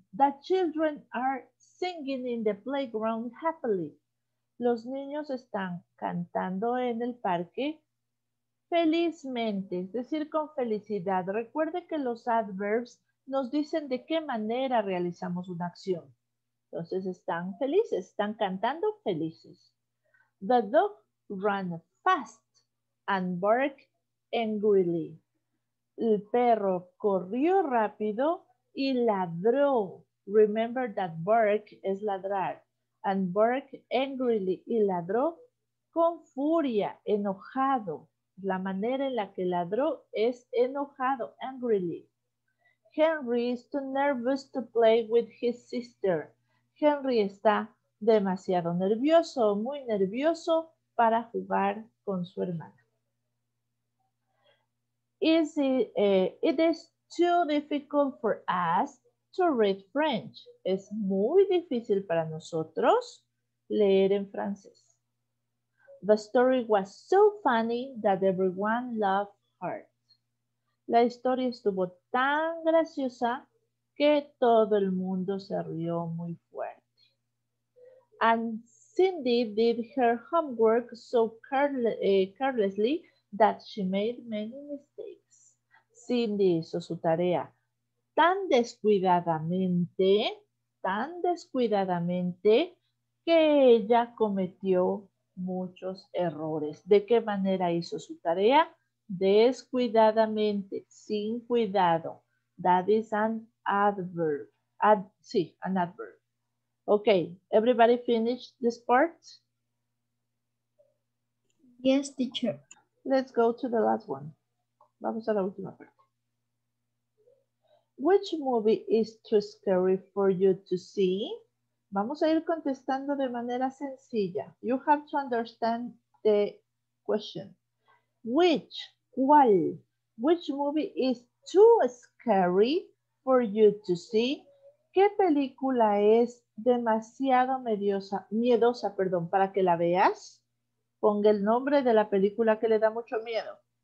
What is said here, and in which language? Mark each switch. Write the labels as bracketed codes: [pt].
[en] The children are singing in the playground happily. [es] Los niños están cantando en el parque felizmente, es decir, con felicidad. Recuerde que los adverbs nos dicen de qué manera realizamos una acción. Entonces están felices, están cantando felices. [en] The dog ran fast and barked angrily. [es] El perro corrió rápido y ladró. [en] Remember that [es] bark es ladrar. [en] And barked angrily [es] y ladró con furia, enojado. La manera en la que ladró es enojado, angrily. [en] Henry is too nervous to play with his sister. [es] Henry está demasiado nervioso, muy nervioso para jugar con su hermana. [en] It is too difficult for us to read French. [es] Es muy difícil para nosotros leer en francés. [en] The story was so funny that everyone loved her. [es] La historia estuvo tan graciosa que todo el mundo se rió muy fuerte. [en] And Cindy did her homework so carelessly that she made many mistakes. [es] Cindy hizo su tarea tan descuidadamente, que ella cometió muchos errores. ¿De qué manera hizo su tarea? Descuidadamente, sin cuidado. [en] That is an adverb. Sí, an adverb. Okay, everybody finish this part? Yes, teacher. Let's go to the last one. [es] Vamos a la última parte. [en] Which movie is too scary for you to see? [es] Vamos a ir contestando de manera sencilla. [en] You have to understand the question. Which movie is too scary for you to see? [es] ¿Qué película es demasiado miedosa, para que la veas? Ponga el nombre de la película que le da mucho miedo.